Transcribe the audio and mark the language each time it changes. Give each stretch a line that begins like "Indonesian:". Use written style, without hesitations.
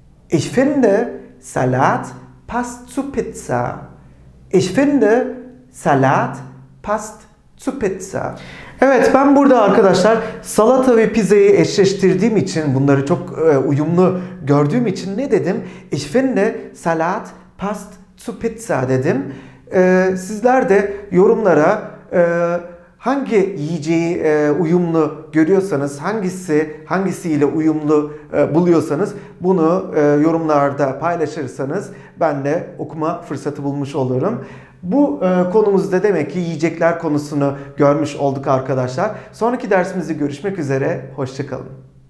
German: Ich finde, Salat passt zu Pizza. Ich finde, Salat passt zu Pizza.
Turkish: Evet, ben burada arkadaşlar salata ve pizzayı eşleştirdiğim için, bunları çok uyumlu gördüğüm için ne dedim?
German: Ich finde, Salat passt zu Pizza
Turkish: dedim. Sizler de yorumlara hangi yiyeceği uyumlu görüyorsanız, hangisiyle uyumlu buluyorsanız bunu yorumlarda paylaşırsanız ben de okuma fırsatı bulmuş olurum. Bu konumuzda demek ki yiyecekler konusunu görmüş olduk arkadaşlar. Sonraki dersimizde görüşmek üzere. Hoşça kalın.